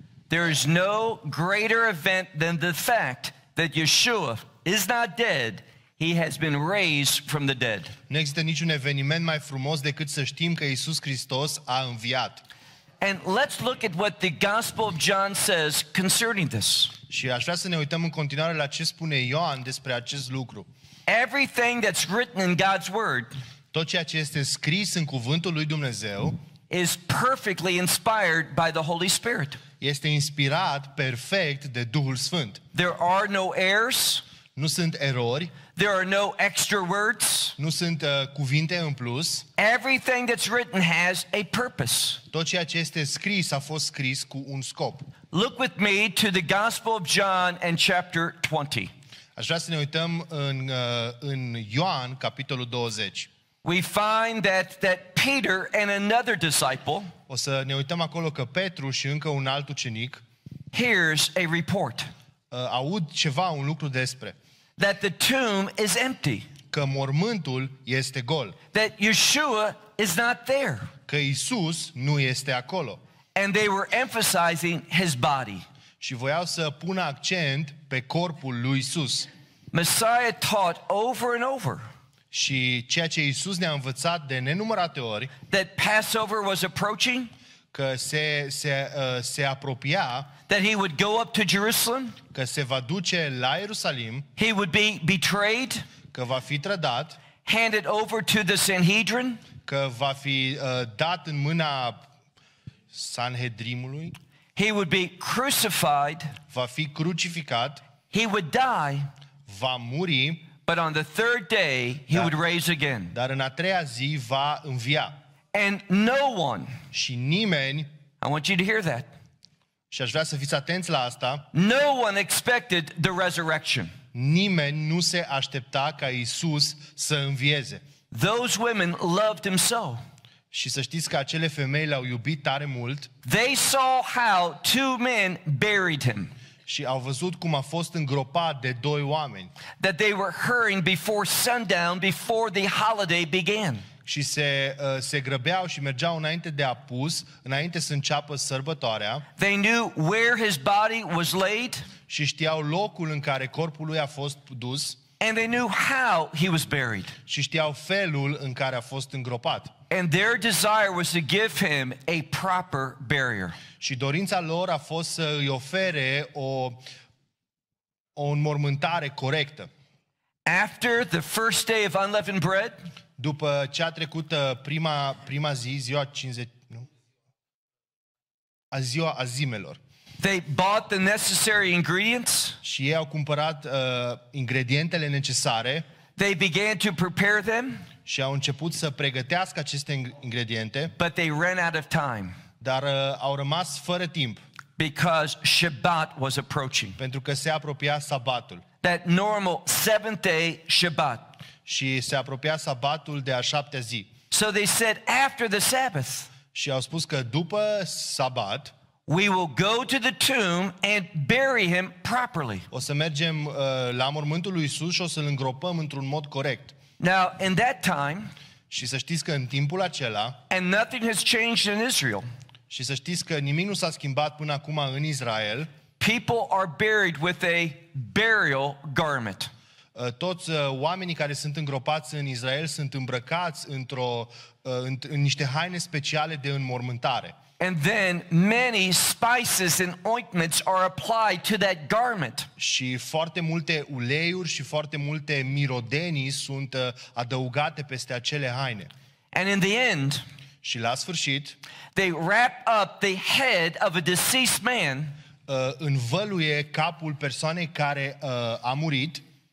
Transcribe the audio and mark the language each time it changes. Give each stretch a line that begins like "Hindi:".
English: There is no greater event than the fact that Yeshua is not dead, he has been raised from the dead.
Romanian: Nu există niciun eveniment mai frumos decât să știm că Iisus Hristos a înviat.
English: And let's look at what the Gospel of John says concerning this.
Romanian: Și aș vrea să ne uităm în continuare la ce spune Ioan despre acest lucru.
English: Everything that's written in God's word,
Romanian: tot ceea ce este scris în cuvântul lui Dumnezeu,
English: is perfectly inspired by the Holy Spirit.
Romanian: Este inspirat perfect de Duhul Sfânt.
English: There are no errors.
Romanian: Nu sunt erori.
English: There are no extra words.
Romanian: Nu sunt cuvinte în plus.
English: Everything that's written has a purpose.
Romanian: Tot ceea ce este scris a fost scris cu un scop.
English: Look with me to the Gospel of John and chapter 20.
Romanian: Aș vrea să ne uităm în Ioan capitolul 20.
English: We find that Peter and another disciple.
Romanian: O să ne uităm acolo că Petru și încă un alt ucenic.
English: Here's a report.
Romanian: Aud ceva, un lucru despre.
English: That the tomb is empty.
Romanian: Că mormântul este gol.
English: That Yeshua is not there.
Romanian: Că Iisus nu este acolo.
English: And they were emphasizing his body.
Romanian: Și voiau să pună accent pe corpul lui Iisus.
English: Messiah taught over and over.
Romanian: Și ceea ce Iisus ne-a învățat de nenumărate ori.
English: That Passover was approaching.
Romanian: Că se apropia.
English: That he would go up to Jerusalem.
Romanian: Că se va duce la Ierusalim.
English: He would be betrayed.
Romanian: Că va fi trădat.
English: Handed over to the Sanhedrin.
Romanian: Că va fi dat în mâna Sanhedrimului.
English: He would be crucified.
Romanian: Va fi crucificat.
English: He would die.
Romanian: Va muri.
English: But on the third day he would raise again.
Romanian: Dar în a treia zi va învia.
English: And no one.
Romanian: Și nimeni.
English: I want you to hear that.
Romanian: Și aș vrea să fiți atenți la asta.
English: No one expected the resurrection.
Romanian: Nimeni nu se aștepta ca Iisus să învieze.
English: Those women loved him so.
Romanian: Și să știți că acele femei l-au iubit tare mult.
English: They saw how two men buried him.
Romanian: Și au văzut cum a fost îngropat de doi oameni.
English: That they were hurrying before sundown, before the holiday began.
Romanian: Și se grăbeau și mergeau înainte de apus, înainte să înceapă sărbătoarea.
English: They knew where his body was laid.
Romanian: Și știau locul în care corpul lui a fost dus.
English: And they knew how he was buried.
Romanian: Și știau felul în care a fost îngropat.
English: And their desire was to give him a proper burial.
Romanian: Și dorința lor a fost să îi ofere o înmormântare corectă.
English: After the first day of unleavened bread,
Romanian: după ce a trecut prima zi, ziua 50, nu? Ziua azimelor.
English: They bought the necessary ingredients.
Romanian: Și ei au cumpărat ingredientele necesare.
English: They began to prepare them.
Romanian: Și au început să pregătească aceste ingrediente.
English: But they ran out of time.
Romanian: Dar au rămas fără timp.
English: Because Shabbat was approaching.
Romanian: Pentru că se apropia sabatul.
English: That normal seventh day Shabbat.
Romanian: Și se apropia sabatul de a șaptea zi.
English: So they said after the Sabbath.
Romanian: Și au spus că după sabat.
English: We will go to the tomb and bury him properly.
Romanian: O să mergem la mormântul lui Isus și o să-l îngropăm într-un mod corect.
English: Now, in that time,
Romanian: și să știți că în timpul acela,
English: and nothing has changed in Israel.
Romanian: Și să știți că nimic nu s-a schimbat până acum în Israel.
English: People are buried with a burial garment.
Romanian: Toți oamenii care sunt îngropați în Israel sunt îmbrăcați în niște haine speciale de înmormântare.
English: And then many spices and ointments are applied to that garment.
Romanian: Și foarte multe uleiuri și foarte multe mirodenii sunt adăugate peste acele haine.
English: And in the end,
Romanian: și la sfârșit,
English: they wrap up the head of a deceased man.
Romanian: Învăluie capul persoanei care a murit